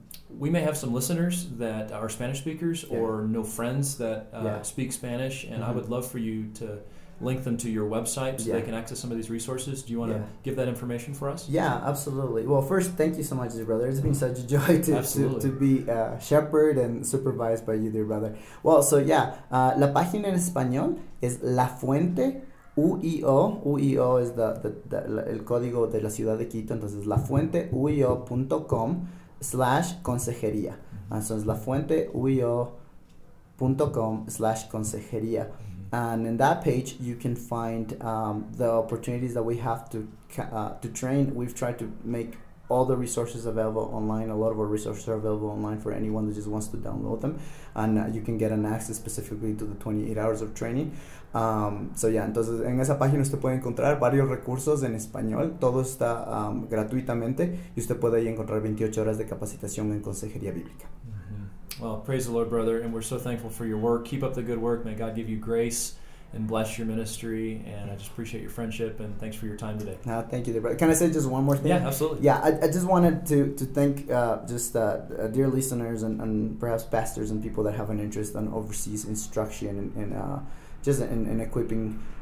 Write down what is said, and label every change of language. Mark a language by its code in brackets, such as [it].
[en] We may have some listeners that are Spanish speakers or know friends that speak Spanish, and I would love for you to link them to your website so they can access some of these resources. Do you want to give that information for us? Yeah, absolutely. Well, first, thank you so much, dear brother. It's been such a joy to be shepherd and supervised by you, dear brother. Well, so yeah, [es] la página en español es La Fuente UIO. UIO is el código de la ciudad de Quito. Entonces, lafuenteuio.com/consejería. Entonces, lafuenteuio.com/consejería. [en] And in that page, you can find the opportunities that we have to train. We've tried to make all the resources available online. A lot of our resources are available online for anyone that just wants to download them. And you can get an access specifically to the 28 hours of training. [es] Entonces, en esa página usted puede encontrar varios recursos en español. Todo está gratuitamente. Y usted puede ahí encontrar 28 horas de capacitación en consejería bíblica. [en] Well, praise the Lord, brother, and we're so thankful for your work. Keep up the good work. May God give you grace and bless your ministry, and I just appreciate your friendship, and thanks for your time today. No, thank you, dear brother. Can I say just one more thing? Yeah, absolutely. Yeah, I just wanted to thank dear listeners and perhaps pastors and people that have an interest in overseas instruction and just in equipping